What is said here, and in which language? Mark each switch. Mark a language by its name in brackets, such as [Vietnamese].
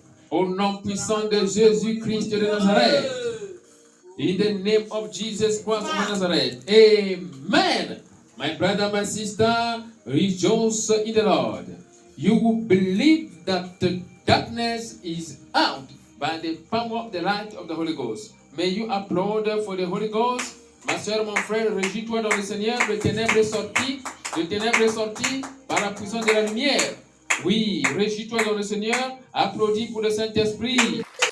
[French] Au nom puissant de Jésus-Christ de Nazareth. [English] In the name of Jesus Christ of Nazareth. Amen. My brother, my sister, rejoice in the Lord. You will believe that the darkness is out by the power of the light of the Holy Ghost. May you applaud for the Holy Ghost. [French] Ma soeur, mon frère, réjouis-toi dans le Seigneur. Le ténèbre est sorti. Le ténèbre est sorti par la puissance de la lumière. Oui, réjouis-toi dans le Seigneur, applaudis pour le Saint-Esprit.